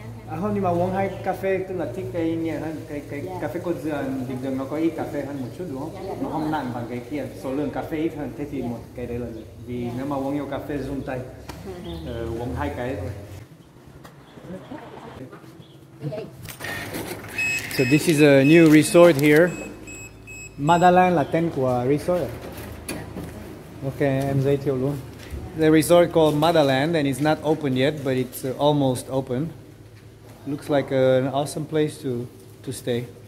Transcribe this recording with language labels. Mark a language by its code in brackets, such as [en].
[vi] À, không, nhưng mà uống hai cà phê tức là thích cái nhẹ hơn. Cái cà phê cột dừa bình thường nó có ít cà phê hơn một chút đúng không? Nó không nặng bằng cái kia. Số lượng cà phê ít hơn, thế thì một cái đấy là được. Vì nếu mà uống nhiều cà phê run tay, uống hai cái thôi. [en] So this is a new resort here. [vi] Madaland là tên của resort. Okay, em giới thiệu luôn. [en] The resort called Madaland and it's not open yet, but it's almost open. Looks like an awesome place to stay.